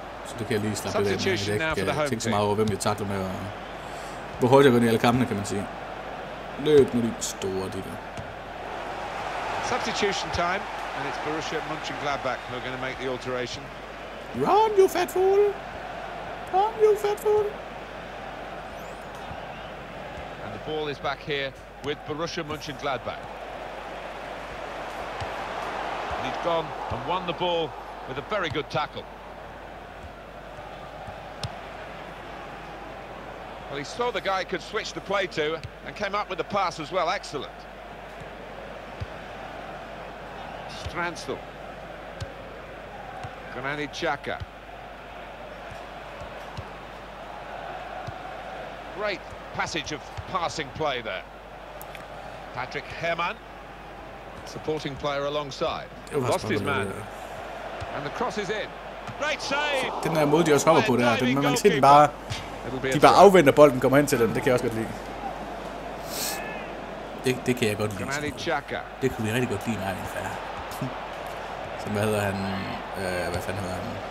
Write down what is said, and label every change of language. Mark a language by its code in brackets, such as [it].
[da] Så det kan jeg lige slappe lidt af, men jeg kan ikke tænke så meget over, hvem jeg takler med. Og hvor hurtigt jeg går ind i alle kampene, kan man sige. Løb nu lige store, de der. [en] Substitution time, and it's Borussia Mönchengladbach who are going to make the alteration. Run, you fat fool! Run, you fat fool! And the ball is back here with Borussia Mönchengladbach. And he's gone and won the ball with a very good tackle. Well, he saw the guy he could switch the play to and came up with the pass as well. Excellent. Stranstel, Granit Xhaka, great passage of passing play there. Patrick Herrmann, supporting player alongside, lost his man, and the cross is in. Great save! [da] Den der måde de også hopper på der, den, man kan se den bare, de bare afventer bolden kommer hen til dem, det kan jeg også godt lide. Det kan jeg godt lide. Granit Xhaka, det kunne vi rigtig godt lide med. Som hvad hedder han? Hvad fanden hedder han?